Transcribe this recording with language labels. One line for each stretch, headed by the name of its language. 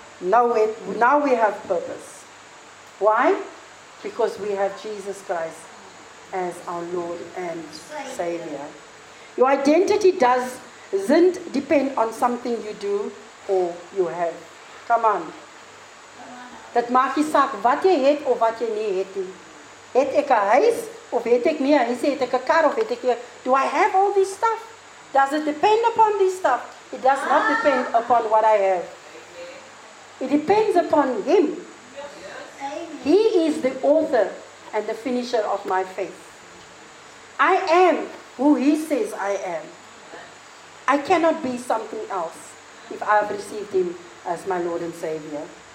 English: Now we have purpose. Why? Because we have Jesus Christ as our Lord and Savior. Your identity doesn't depend on something you do or you have. Come on.
Afrikaans: Dit maak nie saak wat jy het of wat jy nie het nie. Het ek 'n huis? Of het ek nie, hy sê, het ek 'n kar, of het ek nie,
English: do I have all this stuff? Does it depend upon this stuff? It does not depend upon what I have. It depends upon Him. He is the author and the finisher of my faith. I am who He says I am. I cannot be something else if I have received Him as my Lord and Savior.